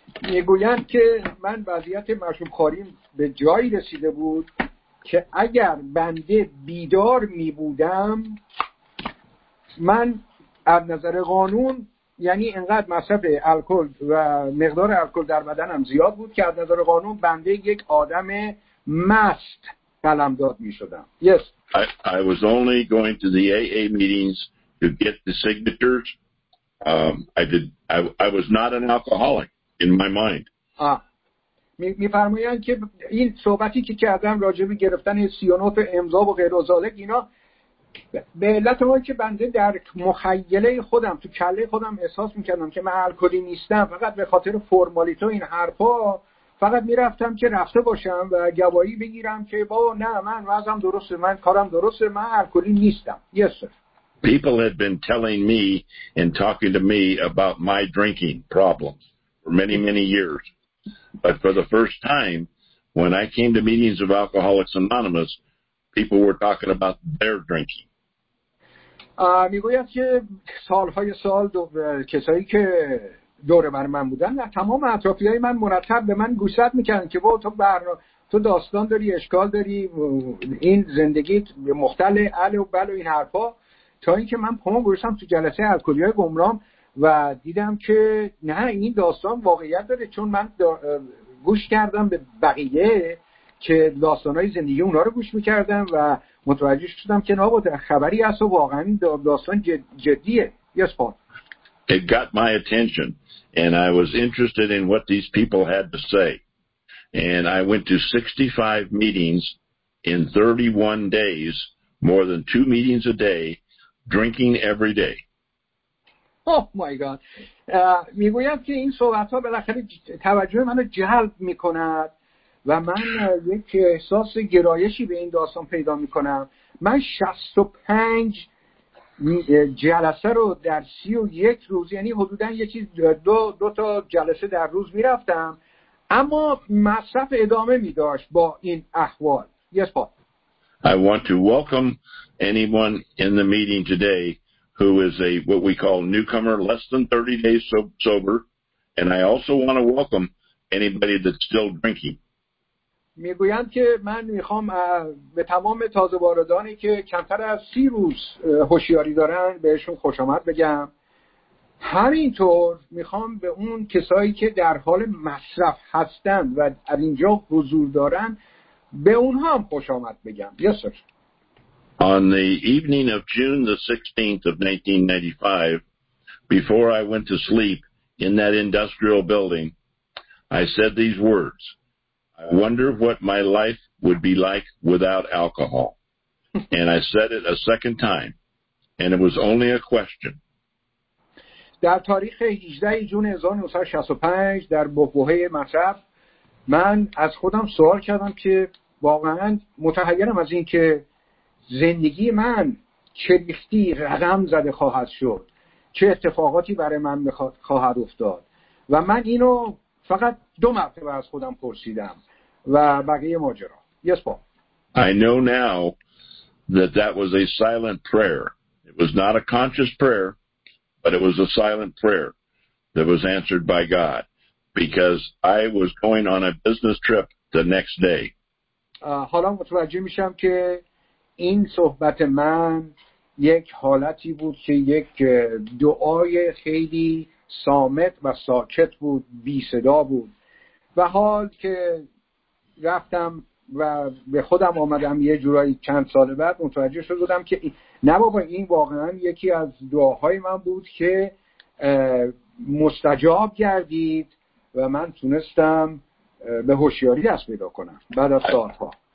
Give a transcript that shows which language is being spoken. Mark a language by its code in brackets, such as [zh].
[fa] میگویند که من وضعیت مشروب خوریم به جایی رسیده بود که اگر بنده بیدار می بودم، من از نظر قانون، یعنی انقدر مصرف الکل و مقدار الکل در بدنم زیاد بود که از نظر قانون بنده یک آدم مست قلمداد می شدم. [en] Yes. I was only going to the AA meetings to get the signatures. I was not an alcoholic in my mind. آه. [fa] می‌فرمایند که این صحبتی که کردم راجع به گرفتن 39 امضا و غیر ازالک، اینا به علت اون که بنده در مخیله خودم، تو کله خودم احساس می‌کردم که من الکلی نیستم، فقط به خاطر فرمالیته این حرفا فقط می‌رفتم که رفته باشم و گواهی بگیرم که با نه، من وضعم درسته، من کارم درسته، من الکلی نیستم. [en] Yes, sir. People had been telling me and talking to me about my drinking problems for many, many years. But for the first time, when I came to meetings of Alcoholics Anonymous, people were talking about their drinking. [fa] میگویند که سالهای سال کسایی که دور بر من بودن، تمام اطرافیان من مرتب به من گوشزد میکردن که تو داستان داری، اشکال داری، این زندگیت مختل علی و بل و این حرفا، تا اینکه من پامو گذاشتم تو جلسه الکلی‌های گمنام و دیدم که نه، این داستان واقعیت داره، چون من گوش کردم به بقیه که داستانای زندگی اونا رو گوش میکردم و متوجه شدم که نابود خبری هست و واقعا داستان جدیه. [en] Yes, Paul. It got my attention and I was interested in what these people had to say. And I went to 65 meetings in 31 days, more than 2 meetings a day, drinking every day. Oh my God. [fa] میگویم که این صحبت ها بالاخره توجه منو جلب میکند و من یک احساس گرایشی به این داستان پیدا میکنم. من 65 جلسه رو در 31 روز، یعنی حدودا یکی دو تا جلسه در روز میرفتم، اما مصرف ادامه میداشت با این احوال. [en] Yes, Paul. I want to welcome anyone in the meeting today who is a what we call newcomer, less than 30 days sober, and I also want to welcome anybody that's still drinking. [fa] میگویند که من میخوام به تمام تازه واردانی که کمتر از 30 روز هوشیاری دارن بهشون خوش آمد بگم. همینطور میخوام به اون کسایی که در حال مصرف هستن و از اینجا حضور دارن به اونها هم خوش آمد بگم. [en] Yes, sir. On the evening of June the 16th of 1995, before I went to sleep in that industrial building, I said these words, I wonder what my life would be like without alcohol. And I said it a second time, and it was only a question. [fa] در تاریخ 18 جون 1965 در بوهه مصرف من از خودم سوال کردم که واقعا متحیرم از این که زندگی من چه ریختی رقم زده خواهد شد، چه اتفاقاتی برای من خواهد افتاد. و من اینو فقط دو مرتبه از خودم پرسیدم و بقیه ماجرا. [en] Yes, Paul. I know now that that was a silent prayer. It was not a conscious prayer, but it was a silent prayer that was answered by God, because I was going on a business trip the next day. [fa] حالا متوجه میشم که این صحبت من یک حالتی بود که یک دعای خیلی صامت و ساکت بود، بی صدا بود، و حال که رفتم و به خودم آمدم یه جورایی چند سال بعد متوجه شدم که نه بابا، این واقعا یکی از دعاهای من بود که مستجاب گردید و من تونستم به هوشیاری دست پیدا کنم بعد از سال‌ها.